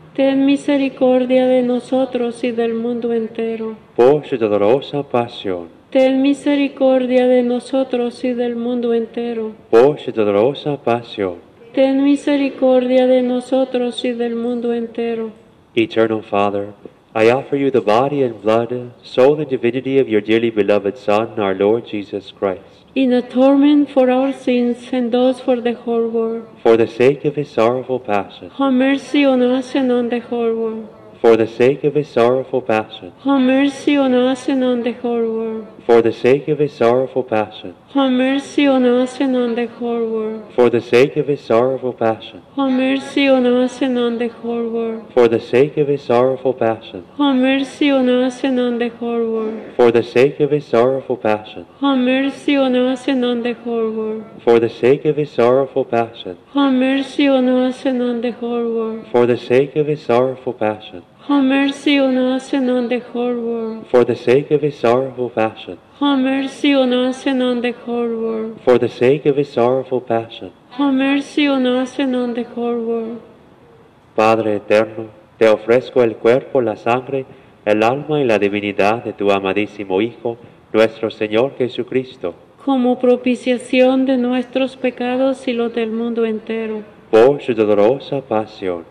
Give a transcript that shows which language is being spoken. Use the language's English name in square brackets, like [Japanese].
[Spanish] Ten misericordia de nosotros y del mundo entero. Por su dolorosa pasión. Ten misericordia de nosotros y del mundo entero. Por su dolorosa pasión. Ten misericordia de nosotros y del mundo entero. [English] Eternal Father, I offer you the body and blood, soul and divinity of your dearly beloved Son, our Lord Jesus Christ. In atonement for our sins and those for the whole world. For the sake of his sorrowful passion. Have mercy on us and on the whole world. For the sake of his sorrowful passion. Have mercy on us and on the whole world. For the sake of his sorrowful passion. Have mercy on us and on the whole world. For the sake of his sorrowful passion. Have mercy on us and on the whole world. For the sake of his sorrowful passion. Have mercy on us and on the whole world. For the sake of his sorrowful passion. Have mercy on us and on the whole world. For the sake of his sorrowful passion. Have mercy on us and on the whole world. For the sake of his sorrowful passion. Have mercy on us and on the whole world. For the sake of his sorrowful passion. Have mercy on us and on the whole world. For the sake of his sorrowful passion. Have mercy on us and on the whole world. [Spanish] Padre eterno, te ofrezco el cuerpo, la sangre, el alma y la divinidad de tu amadísimo Hijo, nuestro Señor Jesucristo. Como propiciación de nuestros pecados y los del mundo entero. Por su dolorosa pasión.